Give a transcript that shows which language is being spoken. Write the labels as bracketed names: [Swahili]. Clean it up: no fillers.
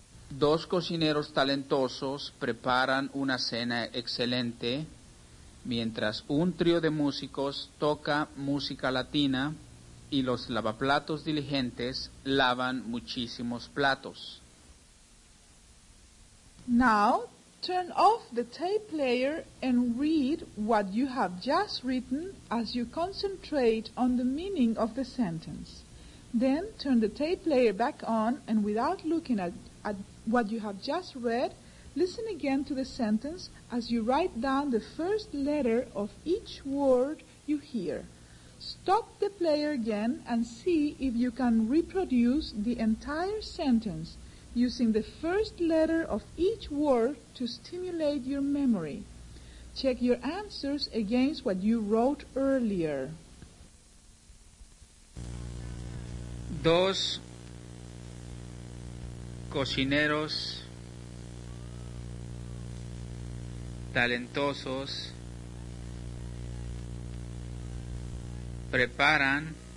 [Spanish] Dos cocineros talentosos preparan una cena excelente, mientras un trío de músicos toca música latina y los lavaplatos diligentes lavan muchísimos platos. [English] Now, turn off the tape player and read what you have just written as you concentrate on the meaning of the sentence. Then, turn the tape player back on and without looking at what you have just read, Listen again to the sentence as you write down the first letter of each word you hear. Stop the player again and see if you can reproduce the entire sentence using the first letter of each word to stimulate your memory. Check your answers against what you wrote earlier. [Spanish] Dos cocineros talentosos preparan